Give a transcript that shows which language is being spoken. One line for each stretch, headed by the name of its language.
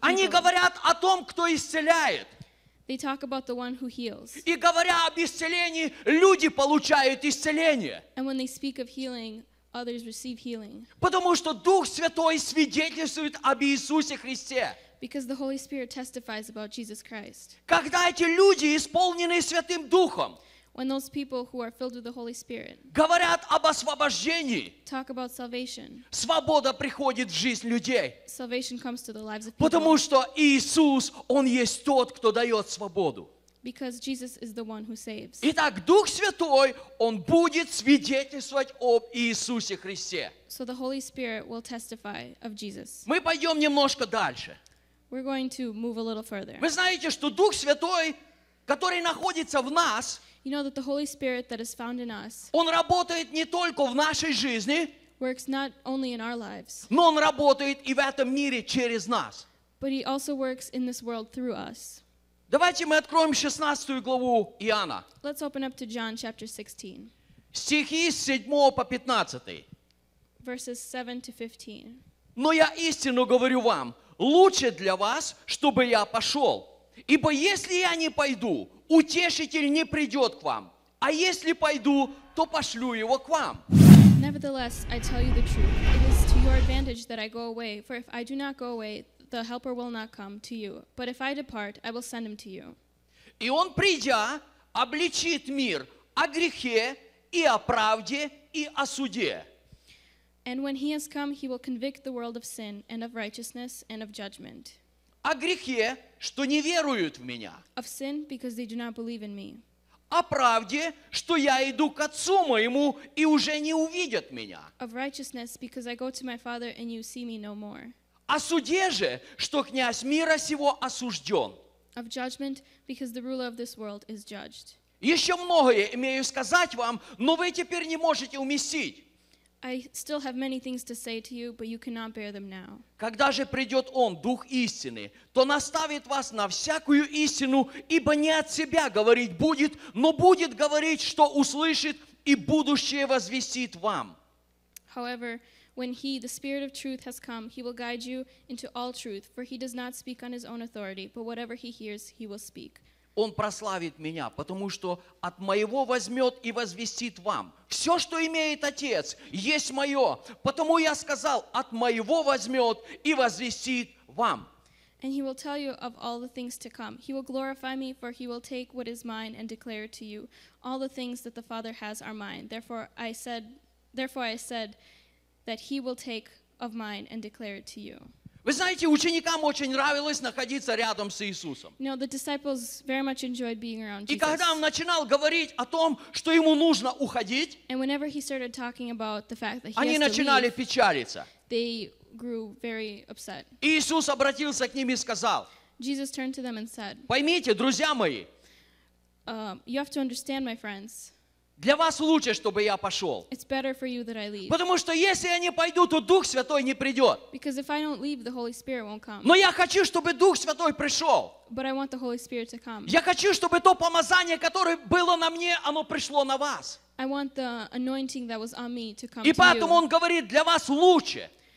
English: people.
Russian: Они говорят о том, кто исцеляет.
English: They talk about the one who heals.
Russian: И говоря об исцелении, люди получают исцеление.
English: And when they speak of healing, others receive healing.
Russian: Потому что Дух Святой свидетельствует об Иисусе Христе.
English: Because the Holy Spirit testifies about Jesus Christ.
Russian: Когда эти люди, исполненные Святым Духом,
English: when those people who are filled with the Holy Spirit
Russian: говорят об освобождении,
English: talk about salvation,
Russian: свобода приходит в жизнь людей.
English: Salvation comes to the lives of people.
Russian: Потому что Иисус, Он есть тот, кто дает свободу.
English: Because Jesus is the one who saves.
Russian: Итак, Дух Святой, Он будет свидетельствовать об Иисусе Христе.
English: So the Holy Spirit will testify of Jesus.
Russian: Мы пойдем немножко дальше.
English: We're going to move a little further.
Russian: Вы знаете, что Дух Святой, который находится в нас,
English: you know that the Holy Spirit that is found in us,
Russian: Он работает не только в нашей жизни,
English: works not only in our lives,
Russian: но Он работает и в этом мире через нас.
English: But He also works in this world through us.
Russian: Давайте мы откроем 16 главу Иоанна.
English: Let's open up to John chapter 16.
Russian: Стихи с 7 по 15.
English: Verses 7 to 15.
Russian: Но я истину говорю вам, лучше для вас, чтобы я пошел. Ибо если я не пойду, утешитель не придет к вам. А если пойду, то пошлю его к вам.
English: Nevertheless, I tell you the truth. It is to your advantage that I go away. For if I do not go away, the helper will not come to you. But if I depart, I will send him to you.
Russian: И он, придя, обличит мир о грехе и о правде и о суде.
English: And when he has come, he will convict the world of sin and of righteousness and of judgment.
Russian: О грехе, что не веруют в меня.
English: Of sin, because they do not believe in me.
Russian: О правде, что я иду к отцу моему и уже не увидят меня.
English: Of righteousness, because I go to my father and you see me no more.
Russian: О суде же, что князь мира сего осужден.
English: Of judgment, because the ruler of this world is judged.
Russian: Еще многое имею сказать вам, но вы теперь не можете уместить.
English: I still have many things to say to you, but you cannot bear them now.
Russian: Когда же придет Он, Дух истины, то наставит вас на всякую истину, ибо не от себя говорить будет, но будет говорить, что услышит, и будущее возвестит вам.
English: However, when He, the Spirit of truth, has come, He will guide you into all truth, for He does not speak on His own authority, but whatever He hears, He will speak.
Russian: Он прославит меня, потому что от моего возьмет и возвестит вам. Все, что имеет Отец, есть мое. Потому я сказал, от моего возьмет и возвестит вам.
English: And he will tell you of all the things to come. He will glorify me, for he will take what is mine and declare it to you. All the things that the Father has are mine. Therefore I said that he will take of mine and declare it to you.
Russian: Вы знаете, ученикам очень нравилось находиться рядом с Иисусом.
English: You know, the disciples very much enjoyed being around Jesus.
Russian: И когда он начинал говорить о том, что ему нужно уходить,
English: and whenever he started talking about the fact that he has to leave,
Russian: они начинали печалиться.
English: They grew very upset.
Russian: И Иисус обратился к ним и сказал,
English: Jesus turned to them and said,
Russian: поймите, друзья мои,
English: you have to understand, my friends,
Russian: для вас лучше, чтобы я пошел.
English: It's better for you that I leave.
Russian: Потому что если я не пойду, то Дух Святой не придет.
English: Because if I don't leave, the Holy Spirit won't come.
Russian: Но я хочу, чтобы Дух Святой пришел.
English: But I want the Holy Spirit to come.
Russian: Я хочу, чтобы то помазание, которое было на мне, оно пришло на вас.
English: I want the anointing that was on me to come to you.
Russian: И поэтому он говорит, для вас лучше.